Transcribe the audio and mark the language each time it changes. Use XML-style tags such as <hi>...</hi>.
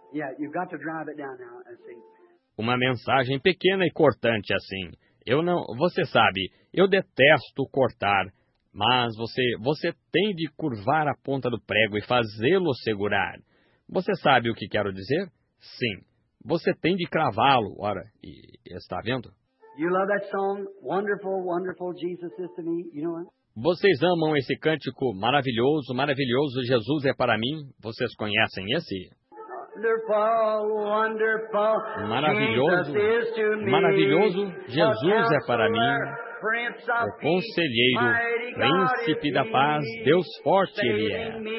<en>Yeah, you've got to drive it down now and see.</en> <pt>Uma mensagem pequena e cortante assim. Eu não, você sabe, eu detesto cortar, mas você tem de curvar a ponta do prego e fazê-lo segurar. Você sabe o que quero dizer? Sim, você tem de cravá-lo. Ora, e está vendo?</pt> <en>You love that song? Wonderful, wonderful Jesus is to me. You know what?</en> <pt>Vocês amam esse cântico maravilhoso, maravilhoso Jesus é para mim? Vocês conhecem esse?</pt> <en>Wonderful, wonderful.</en> <pt>Maravilhoso,</pt> <en>Jesus is to me.</en> <pt>Maravilhoso Jesus é para mim. O conselheiro, príncipe da paz, Deus forte ele é.</pt>